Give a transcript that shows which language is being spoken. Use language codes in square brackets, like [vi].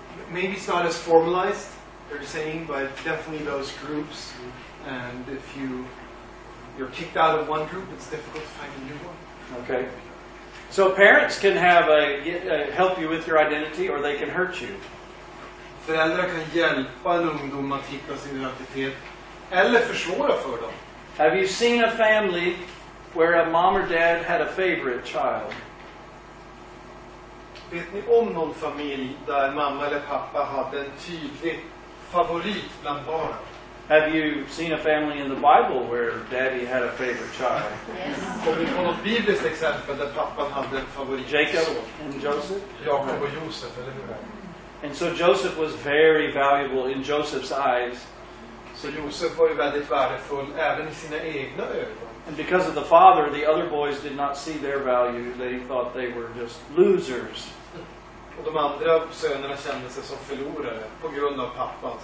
[en] Maybe it's not as formalized, they're saying, but definitely those groups. And if you're kicked out of one group, it's difficult to find a new one. Okay. So parents can help you with your identity, or they can hurt you. [sv] Föräldrar kan hjälpa en ungdom att hitta sin identitet eller försvåra för dem. [en] Have you seen a family where a mom or dad had a favorite child? [sv] Vet ni om någon familj där mamma eller pappa hade en tydlig favorit bland barnen? [en] Have you seen a family in the Bible where daddy had a favorite child? Yes. [sv] Har vi något bibliskt exempel där pappan hade en favorit? [en] Jacob and Joseph? [sv] Jacob och Josef, eller hur? [en] And so Joseph was very valuable in Joseph's eyes. [sv] So Joseph var väldigt värdefull även i sina egna ögon. [en] And because of the father, the other boys did not see their value. They thought they were just losers. [sv] Och de andra sönerna kände sig som förlorare på grund av pappas.